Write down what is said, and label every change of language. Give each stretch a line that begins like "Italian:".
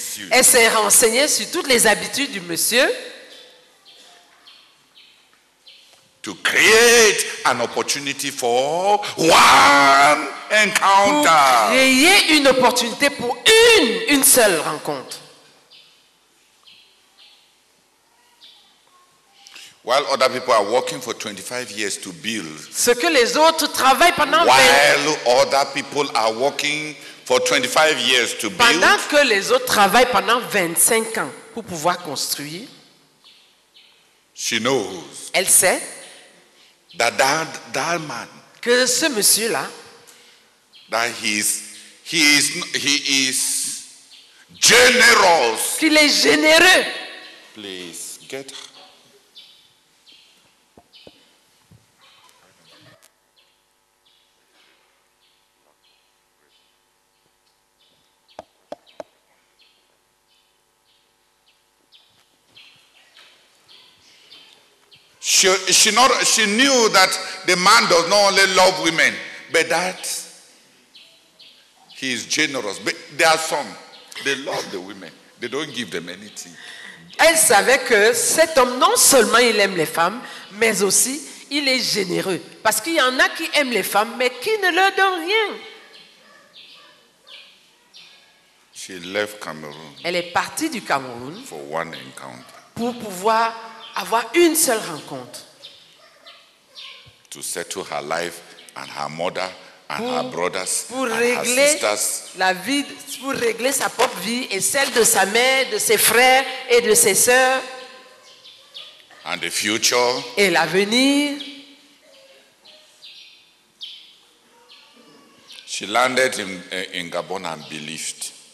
French: Elle s'est renseignée sur toutes les habitudes du monsieur.
English: To create an opportunity for one encounter.
French: Pour créer une opportunité pour une seule rencontre.
English: While other people are working for 25 years to build.
French: Ce que les autres travaillent pendant 25 ans.
English: While other people are working for 25 years to build.
French: Pendant que les autres travaillent pendant 25 ans pour pouvoir construire.
English: She knows.
French: Elle sait.
English: That man,
French: que ce monsieur là,
English: that he is generous.
French: Qu'il est généreux.
English: Please get. She knew that the man does not only love women, but that he is generous. But there are some, they love the women. They don't give them anything.
French: Elle savait que cet homme, non seulement il aime les femmes, mais aussi il est généreux. Parce qu'il y en a qui aiment les femmes, mais qui ne leur donnent rien.
English: She left Cameroon.
French: Elle est partie du Cameroun.
English: For one encounter.
French: Pour pouvoir avoir une seule rencontre.
English: To settle her life and her mother and her brothers and her sisters.
French: La vie, pour régler sa propre vie et celle de sa mère, de ses frères et de ses sœurs.
English: And the future.
French: Et l'avenir.
English: She landed in Gabon and believed.